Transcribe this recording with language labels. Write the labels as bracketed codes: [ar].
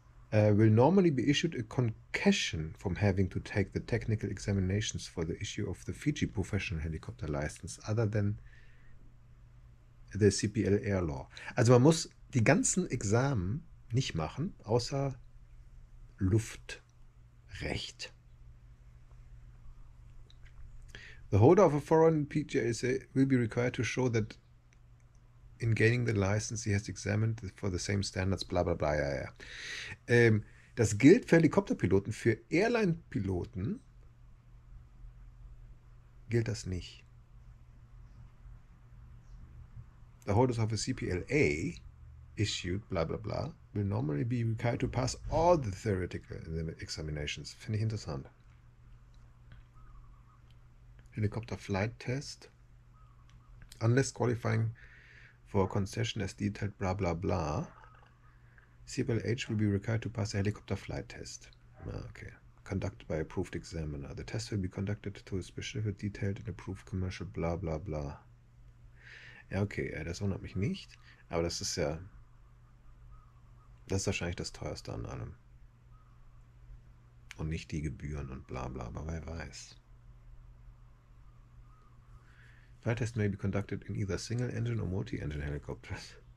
[en] Will normally be issued a concession from having to take the technical examinations for the issue of the Fiji Professional Helicopter License other than the CPL Air Law. [de] Also man muss die ganzen Examen nicht machen, außer Luftrecht. [en] The holder of a foreign PJSA will be required to show that in gaining the license, he has examined for the same standards, bla bla bla, ja, ja. [de] Das gilt für Helikopterpiloten, für Airline-Piloten gilt das nicht. [en] The holders of a CPLA issued, bla bla bla, will normally be required to pass all the theoretical examinations. [de] Finde ich interessant. [en] Helikopter-Flight-Test. Unless qualifying for a concession as detailed, bla bla bla. CPLH will be required to pass a helicopter flight test. Okay. Conducted by approved examiner. The test will be conducted to a specific detailed and approved commercial, bla bla bla. [de] Ja, okay, das wundert mich nicht. Aber das ist ja Das ist wahrscheinlich das Teuerste an allem. Und nicht die Gebühren und bla bla, aber wer weiß. [en] Flight test may be conducted in either single engine or multi-engine helicopters.